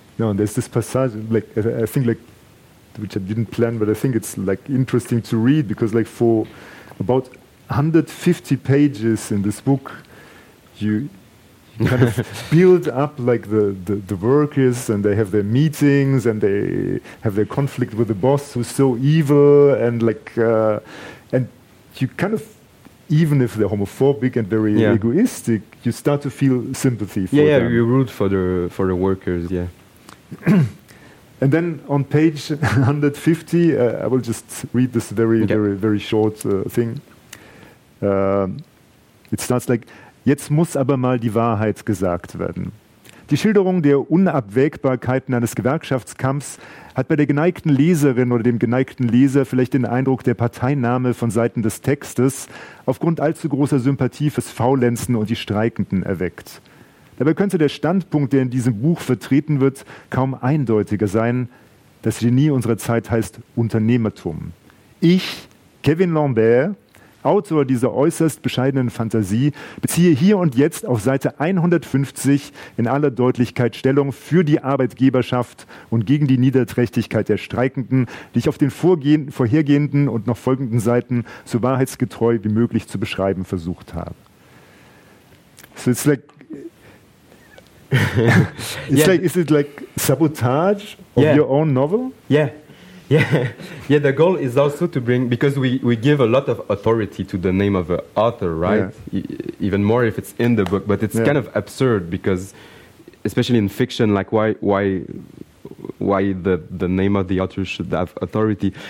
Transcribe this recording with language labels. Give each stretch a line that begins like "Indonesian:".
English: No, and there's this passage, like I think, like, which I didn't plan, but I think it's like interesting to read, because like for about 150 pages in this book, you kind of build up like the workers, and they have their meetings, and they have their conflict with the boss who's so evil, and like and you kind of, even if they're homophobic and very egoistic, you start to feel sympathy for them. Yeah, you root for the workers, yeah. And then on page 150, I will just read this very short thing. It starts like,
German: jetzt muss aber mal die Wahrheit gesagt werden. Die Schilderung der Unabwägbarkeiten eines Gewerkschaftskampfs hat bei der geneigten Leserin oder dem geneigten Leser vielleicht den Eindruck der Parteinahme von Seiten des Textes aufgrund allzu großer Sympathie fürs Faulenzen und die Streikenden erweckt. Dabei könnte der Standpunkt, der in diesem Buch vertreten wird, kaum eindeutiger sein. Das Genie unserer Zeit heißt Unternehmertum. Ich, Kevin Lambert, Autor dieser äußerst bescheidenen Fantasie, beziehe hier und jetzt auf Seite 150 in aller Deutlichkeit Stellung für die Arbeitgeberschaft und gegen die Niederträchtigkeit der Streikenden, die ich auf den vorhergehenden und noch folgenden Seiten so wahrheitsgetreu wie möglich zu beschreiben versucht habe.
English: So it's like, is it like sabotage of your own novel? Yeah. The goal is also to bring, because we give a lot of authority to the name of an author, right? Yeah. Even more if it's in the book, but it's kind of absurd, because especially in fiction, like why the name of the author should have authority?